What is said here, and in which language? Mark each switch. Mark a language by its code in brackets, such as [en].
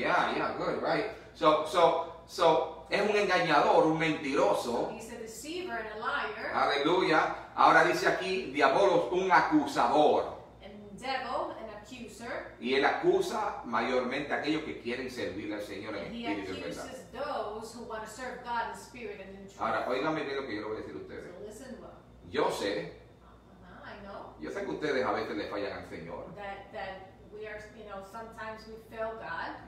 [en] Yeah, good, right. [es] So es un engañador, un mentiroso. [en] He's a deceiver and a liar. [es] Aleluya. Ahora dice aquí, diabolos, un acusador. [en] And devil, an accuser. [es] Y él acusa mayormente a aquellos que quieren servir al Señor en espíritu y verdad. [en] He accuses those who want to serve God in spirit and in truth. [es] Ahora, oiganme bien lo que yo le voy a decir a ustedes. [en] So listen well. [es] Yo sé. [en] I know. [es] Yo sé que ustedes a veces le fallan al Señor. [en] That we are, you know, sometimes we fail God.